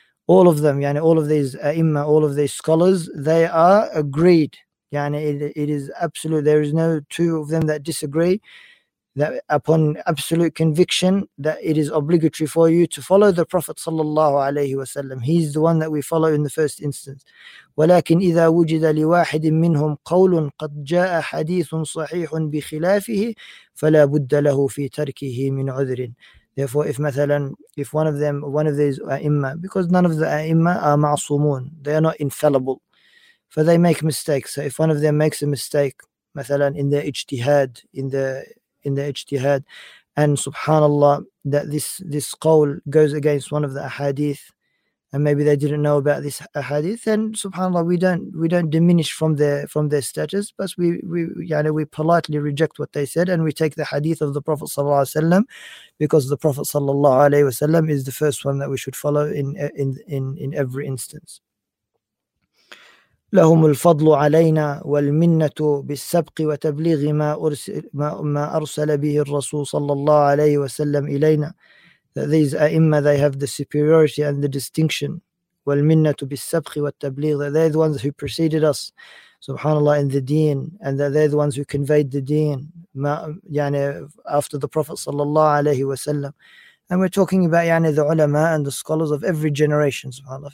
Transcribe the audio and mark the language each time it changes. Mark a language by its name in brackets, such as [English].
[English] all of them, [Arabic] يعني [English] all of these أئمة, all of these scholars, they are agreed. [Arabic] يعني [English] it is absolute, there is no two of them that disagree, that upon absolute conviction that it is obligatory for you to follow the Prophet [Arabic] صلى الله عليه وسلم. [English] He's the one that we follow in the first instance. [Arabic] ولكن إذا وجد لواحد منهم قول قد جاء حديث صحيح بخلافه فلا بد له في تركه من عذر. [English] Therefore, if [Arabic] مثلاً, [English] if one of them, one of these أئمة, because none of the أئمة are [Arabic] معصومون, [English] they are not infallible, for they make mistakes. So if one of them makes a mistake, [Arabic] مثلاً [English] in their اجتهاد, in the اجتهاد, and subhanAllah, that this [Arabic] قول [English] goes against one of the [Arabic] أحاديث, [English] and maybe they didn't know about this أحاديث, then subhanAllah, we don't diminish from their status, but we politely reject what they said, and we take the hadith of the Prophet sallallahu alaihi wasallam, because the Prophet sallallahu alaihi wasallam is the first one that we should follow in every instance. [Arabic] لهم الفضل علينا والمنة بالسبق وتبليغ ما أرسل به الرسول صلى الله عليه وسلم إلينا. [English] These أئمة, they have the superiority and the distinction. [Arabic] والمنة بالسبق والتبليغ, [English] they're the ones who preceded us, subhanAllah, in the deen, and that they're the ones who conveyed the deen, [Arabic] يعني [English] after the Prophet [Arabic] صلى الله عليه وسلم. [English] And we're talking about [Arabic] يعني [English] the ulama and the scholars of every generation, subhanAllah.